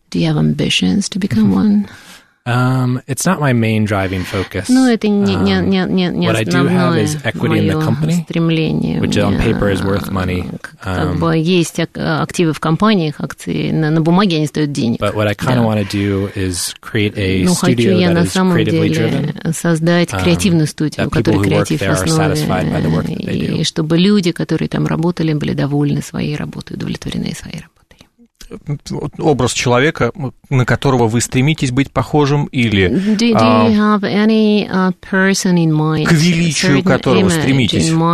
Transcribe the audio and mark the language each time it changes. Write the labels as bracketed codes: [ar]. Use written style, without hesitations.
[en] Do you have ambitions to become one? It's not my main driving focus. [ru] Ну, это не основное мое стремление. [en] Which on paper is worth money. [ru] Как бы есть активы в компаниях, акции на бумаге они стоят денег. [en] But what I kind of want to do is create a studio that is creatively driven. [ru] Создать креативную студию, в которой креатив основан, и чтобы люди, которые там работали, были довольны своей работой, удовлетворены своей работой. Образ человека, на которого вы стремитесь быть похожим, или к величию которого стремитесь.